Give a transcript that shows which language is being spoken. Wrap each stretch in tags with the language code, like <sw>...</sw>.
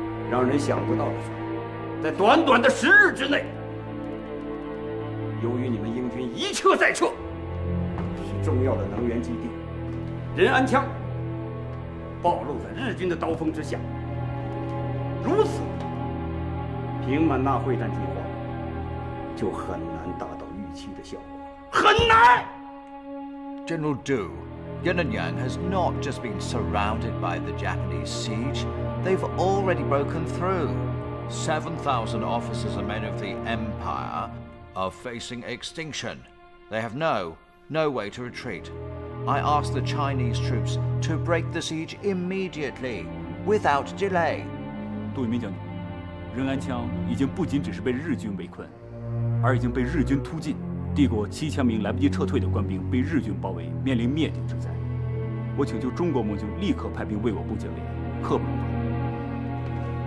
<zh>让人想不到的是，在短短的十日之内，由于你们英军一撤再撤，使重要的能源基地仁安羌暴露在日军的刀锋之下。如此，平满纳会战计划就很难达到预期的效果。</zh> <en>General Du, Yunnan has not just been surrounded by the Japanese siege. They've already broken through. 7,000 officers and men of the Empire are facing extinction. They have no way to retreat. I ask the Chinese troops to break the siege immediately, without delay.</en> <zh>杜聿明将军，仁安羌已经不仅只是被日军围困，而已经被日军突进。帝国7000名来不及撤退的官兵被日军包围，面临灭顶之灾。我请求中国盟军立刻派兵为我部建立，可不可？</zh>